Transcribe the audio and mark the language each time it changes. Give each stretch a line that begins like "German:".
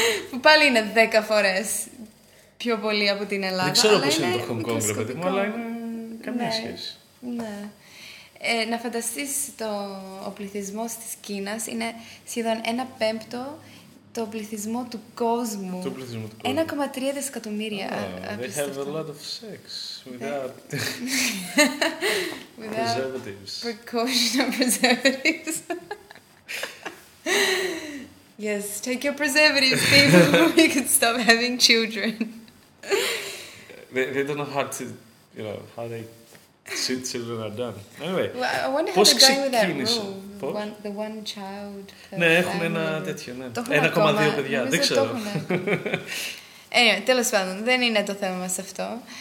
Greek: Που πάλι είναι 10 φορές πιο πολύ από την Ελλάδα. Δεν ξέρω πώς είναι το Hong Kong, παιδί μου, αλλά είναι καμία σχέση. Ναι. Να φανταστείς, ο πληθυσμός της Κίνας είναι σχεδόν 1/5 το πληθυσμό του κόσμου. Το πληθυσμό του κόσμου. 1,3 δισεκατομμύρια.
English: They have a lot of sex without preservatives. Precautionary preservatives. Yes, take your preservatives, people. We could stop having children. They don't know how to, you know, how they see children are done. Anyway, well, I wonder how they're going with that rule. The one child.
Greek: Ναι, έχουν ένα τέτοιο, ναι. 1,2 παιδιά, δεν ξέρω.
English: Anyway,
Greek: τέλος πάντων, δεν είναι το θέμα μας αυτό.